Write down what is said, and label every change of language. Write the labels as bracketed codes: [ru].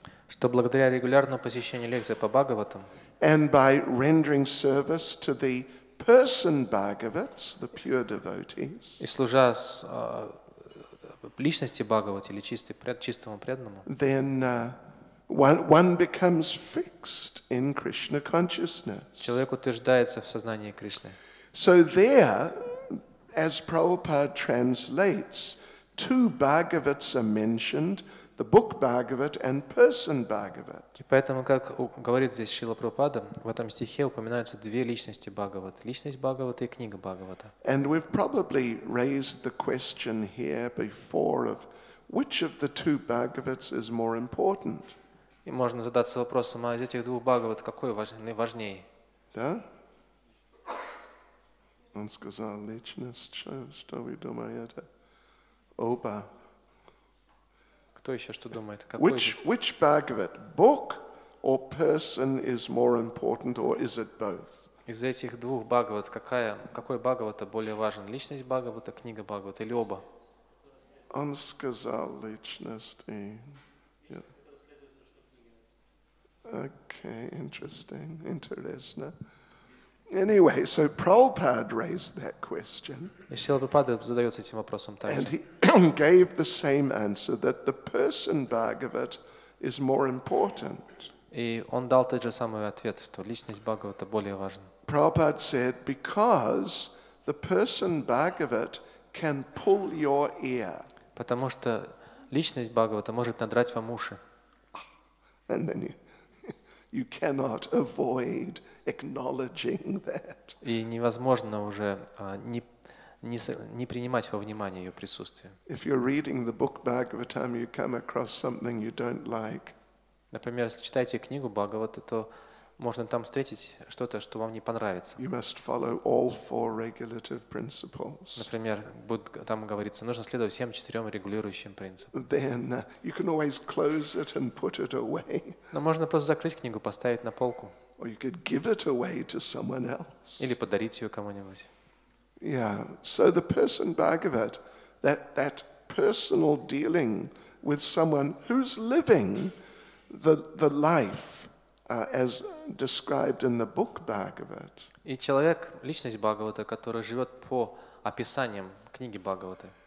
[ru] что благодаря регулярному посещению лекций по Бхагаватам, [en] and by rendering service to the person Bhagavats, the pure devotees, [ru] и служа личности Бхагават или чистому преданному, [en] then one becomes fixed in Krishna consciousness. [ru] Человек утверждается в сознании Кришны. [en] So there, as Prabhupada translates, two Bhagavats are mentioned, the book Bhagavat and person Bhagavat. [ru] И поэтому, как говорит здесь Шрила Прабхупада, в этом стихе упоминаются две личности Бхагавата. Личность Бхагавата и книга Бхагавата. [en] And we've probably raised the question here before of which of the two Bhagavats is more important. [ru] И можно задаться вопросом, а из этих двух Бхагават какой важнее? Да? Он сказал, личность, что вы думаете? Оба. Кто еще что думает? Какой [en] which Bhagavat, book or person is more important, or is it both? [ru] Из этих двух Бхагават, какой Бхагавата более важен? Личность Бхагавата, книга Бхагавата или оба? Он сказал, личность и... [en] Okay, interesting. Anyway, so Prabhupada raised that question. And he gave the same answer that the person Bhagavat is more important. [ru] И он дал тот же самый ответ, что личность Бхагавата более важна. [en] Prabhupada said, because the person Bhagavat can pull your ear. [ru] Потому что личность Бхагавата может надрать вам уши. [en] And then you cannot avoid acknowledging that. [ru] И невозможно уже не принимать во внимание ее присутствие. [en] If you're reading the book Bhagavatam, you come across something you don't like. [ru] Например, если читаете книгу Бхагавата, то можно там встретить что-то, что вам не понравится. [en] You must follow all four regulative principles. [ru] Например, там говорится, нужно следовать всем четырем регулирующим принципам. [en] Then you can always close it and put it away. [ru] Но можно просто закрыть книгу, поставить на полку. [en] Or you could give it away to someone else. [ru] Или подарить ее кому-нибудь. [en] Yeah. So the person Bhagavat, that personal dealing with someone who's living the life. As described in the book Bhagavat. [ru] И человек, личность Бхагавата, которая живет по описаниям книги Бхагаваты.